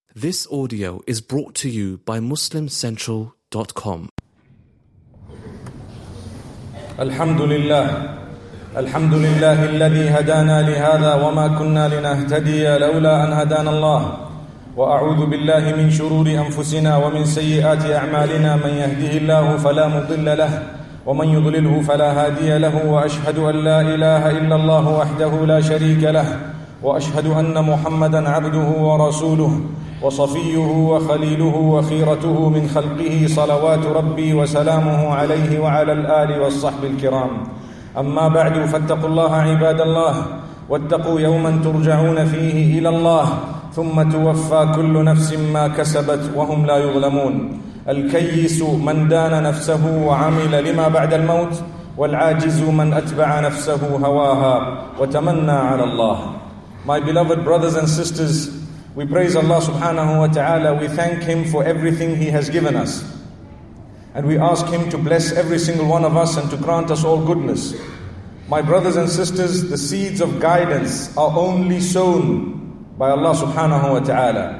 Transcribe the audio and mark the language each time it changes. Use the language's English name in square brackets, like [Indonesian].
[English] This audio is brought to you by MuslimCentral.com. [Arabic] Alhamdulillah. Alhamdulillah الذي هدانا لهذا وما كنا لنهتدي لولا أن هدانا الله. وأعوذ بالله من شرور أنفسنا ومن سيئات أعمالنا. من يهده الله فلا مضل له ومن يضلله فلا هادي له. وأشهد أن لا إله إلا الله وحده لا شريك له. وأشهد أن محمدًا عبده ورسوله وصفيه وخليله وخيرته من خلقه صلوات ربي وسلامه عليه وعلى الآل والصحب الكرام. أما بعد، فاتقوا الله عباد الله، واتقوا يومًا ترجعون فيه إلى الله، ثم توفى كل نفس ما كسبت وهم لا يظلمون. الكيس من دان نفسه وعمل لما بعد الموت، والعاجز من أتبع نفسه هواها وتمنى على الله. [English] My beloved brothers and sisters, we praise Allah subhanahu wa ta'ala. We thank Him for everything He has given us. And we ask Him to bless every single one of us and to grant us all goodness. My brothers and sisters, the seeds of guidance are only sown by Allah subhanahu wa ta'ala.